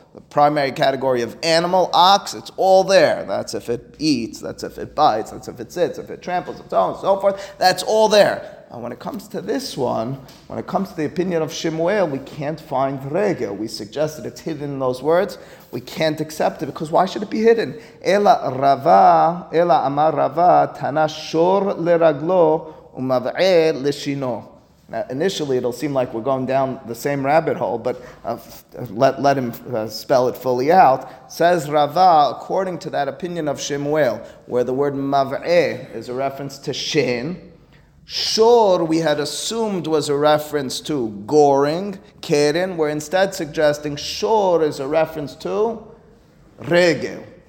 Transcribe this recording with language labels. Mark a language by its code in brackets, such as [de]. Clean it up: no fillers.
[en] The primary category of animal, ox, it's all there. That's if it eats, that's if it bites, that's if it sits, if it tramples, its own, so forth. That's all there. And when it comes to this one, when it comes to the opinion of Shmuel, we can't find regel. We suggest that it's hidden in those words. We can't accept it, because why should it be hidden? [arc] Ela rava, ela amar rava, tana shor leraglo, umav'e leshino. [en] Now, initially, it'll seem like we're going down the same rabbit hole, but let him spell it fully out. Says Rava, according to that opinion of Shmuel, where the word mav'eh is a reference to shin, shor we had assumed was a reference to goring, keren, we're instead suggesting shor is a reference to regel.